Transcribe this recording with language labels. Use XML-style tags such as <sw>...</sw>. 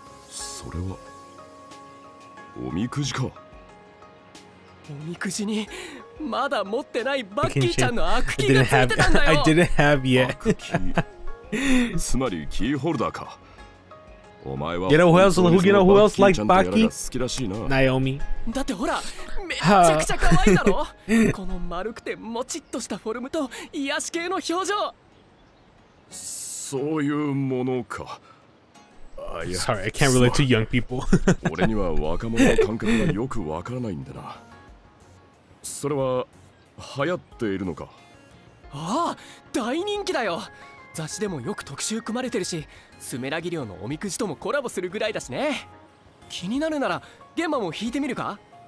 <ja>それはおみくじか。おみくじにまだ持ってないバッキーちゃんの悪気がついてたんだよ。</ja> <en>I didn't have yet.</en> <ja>悪気、つまりキーホルダーか。</ja> <en>You know who else, likes Baki? Naomi.</en> <ja>だってほら、めちゃくちゃ可愛いだろ。この丸くてもちっとしたフォルムと癒し系の表情。そういうものか。</ja> <en>Sorry, I can't relate to young people.</en> <ja>俺には若者の感覚がよくわからないんだな。それは流行っているのか。ああ、大人気だよ。雑誌でもよく特集組まれてるし、スメラギ寮のおみくじともコラボするぐらいだしね。気になるならゲンマも引いてみるか。</ja>